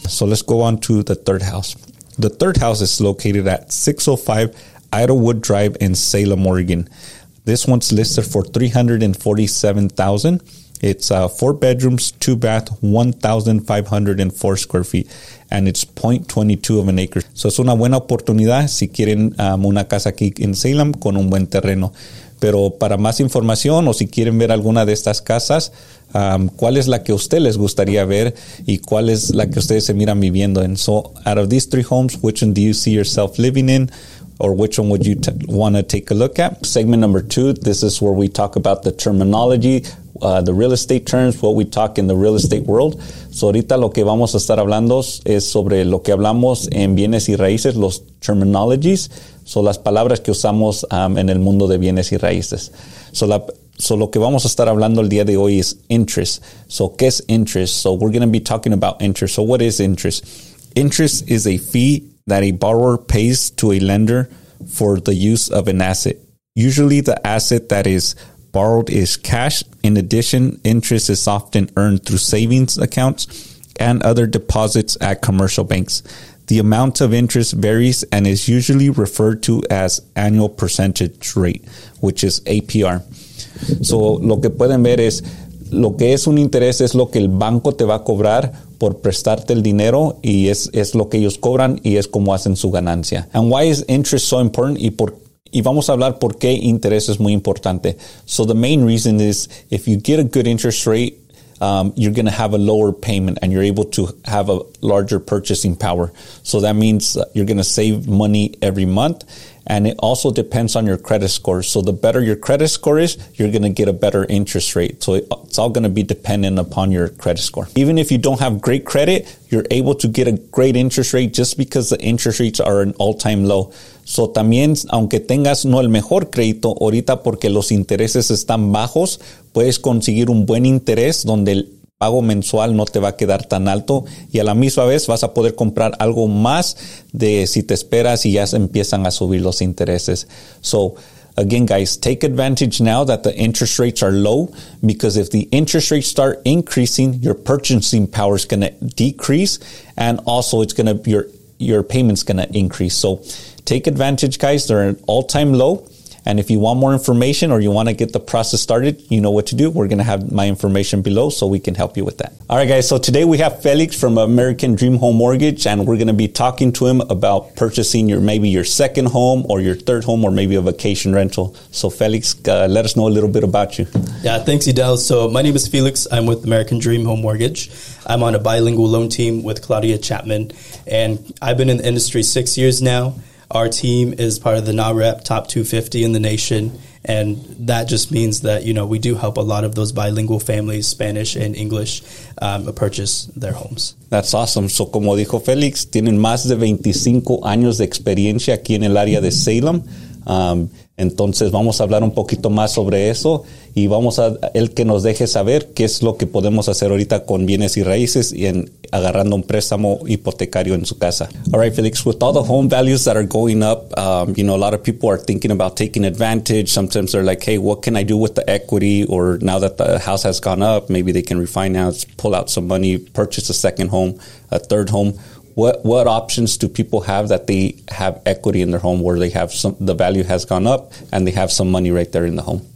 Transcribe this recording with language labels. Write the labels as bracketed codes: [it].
[en] So let's go on to the third house. The third house is located at 605 Idlewood Drive in Salem, Oregon. This one's listed for $347,000. It's four bedrooms, two bath, 1,504 square feet, and it's 0.22 of an acre. [es] So es una buena oportunidad si quieren una casa aquí en Salem con un buen terreno. Pero para más información o si quieren ver alguna de estas casas, ¿cuál es la que a usted les gustaría ver y cuál es la que ustedes se miran viviendo en? [en] So, out of these three homes, which one do you see yourself living in or which one would you want to take a look at? Segment number two, this is where we talk about the terminology, the real estate terms, what we talk in the real estate world. [es] So, ahorita lo que vamos a estar hablando es sobre lo que hablamos en bienes y raíces, los terminologies. So, las palabras que usamos en el mundo de bienes y raíces. So lo que vamos a estar hablando el día de hoy es interest. So, ¿qué es interest? [en] So, we're going to be talking about interest. So, what is interest? Interest is a fee that a borrower pays to a lender for the use of an asset, Usually the asset that is borrowed is cash. In addition, interest is often earned through savings accounts and other deposits at commercial banks. The amount of interest varies and is usually referred to as annual percentage rate, which is APR. [es] So lo que pueden ver es, lo que es un interés es lo que el banco te va a cobrar por prestarte el dinero, y es lo que ellos cobran y es como hacen su ganancia. [en] And why is interest so important? [es] Y vamos a hablar por qué interés es muy importante. [en] So the main reason is, if you get a good interest rate, you're going to have a lower payment and you're able to have a larger purchasing power. So that means you're going to save money every month. And it also depends on your credit score. So the better your credit score is, you're going to get a better interest rate. So it's all going to be dependent upon your credit score. Even if you don't have great credit, you're able to get a great interest rate just because the interest rates are an all-time low. [es] So también, aunque tengas no el mejor crédito ahorita porque los intereses están bajos, puedes conseguir un buen interés donde el pago mensual no te va a quedar tan alto, y a la misma vez vas a poder comprar algo más de si te esperas y ya se empiezan a subir los intereses. [en] So again, guys, take advantage now that the interest rates are low, because if the interest rates start increasing, your purchasing power is going to decrease, and also it's going to be your payment's going to increase. So take advantage, guys. They're an all-time low. And if you want more information or you want to get the process started, you know what to do. We're going to have my information below so we can help you with that. All right, guys. So today we have Felix from American Dream Home Mortgage, and we're going to be talking to him about purchasing your second home or your third home or maybe a vacation rental. So Felix, let us know a little bit about you. Yeah, thanks, Idel. So my name is Felix. I'm with American Dream Home Mortgage. I'm on a bilingual loan team with Claudia Chapman, and I've been in the industry 6 years now. Our team is part of the NAREP top 250 in the nation. And that just means that, you know, we do help a lot of those bilingual families, Spanish and English, purchase their homes. That's awesome. [es] So como dijo Felix, tienen más de 25 años de experiencia aquí en el área de Salem. Entonces vamos a hablar un poquito más sobre eso, y vamos a el que nos deje saber qué es lo que podemos hacer ahorita con bienes y raíces y en agarrando un préstamo hipotecario en su casa. [en] All right, Felix, with all the home values that are going up, you know, a lot of people are thinking about taking advantage. Sometimes they're like, hey, what can I do with the equity? Or now that the house has gone up, maybe they can refinance, pull out some money, purchase a second home, a third home. What options do people have that they have equity in their home where they have some, the value has gone up and they have some money right there in the home?